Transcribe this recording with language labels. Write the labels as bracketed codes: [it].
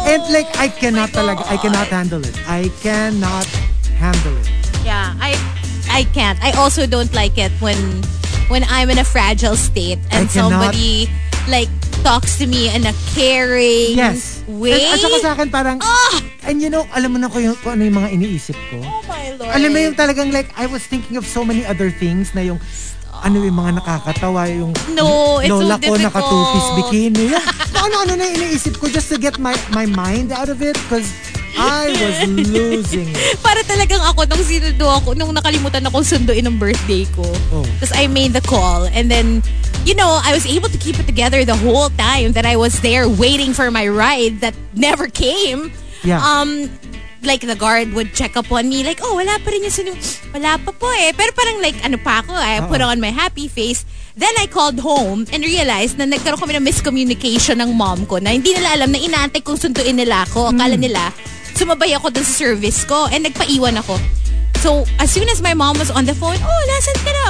[en] and like, I cannot [tl] talaga, [en] I cannot handle it. I cannot handle it. Yeah, I can't. I also don't like it when I'm in a fragile state and somebody like, talks to me in a caring yes. way. [tl] At saka sa akin, parang, oh! [en] And you know, [tl] alam mo na ko yung, kung ano yung mga iniisip ko. [en] Oh my Lord. [tl] Alam mo yung talagang [en] like, I was thinking of so many other things [tl] na yung, [en] stop. [tl] Ano yung mga nakakatawa, yung, [en] no, it's [tl] Lola [en] so difficult. [tl] Lola ko naka 2-piece bikini. Ano-ano na iniisip ko [en] just to get my mind out of it because I was losing it. [tl] Para talagang ako, nung nakalimutan akong sunduin ng birthday ko. [en] Because oh. I made the call and then, you know, I was able to keep it together the whole time that I was there waiting for my ride that never came. Yeah. Like, the guard would check up on me, like, oh, [tl] wala pa rin yung sinunod. Wala pa po eh. Pero parang like, ano pa ako, [en] I put on my happy face. Then I called home and realized [tl] na nagkaroon kami ng miscommunication ng mom ko na hindi nila alam na inaantay kong suntuin nila ako. Akala nila, sumabay ako dun sa service ko and nagpaiwan ako. [en] So, as soon as my mom was on the phone, oh, [tl] nasan ka na?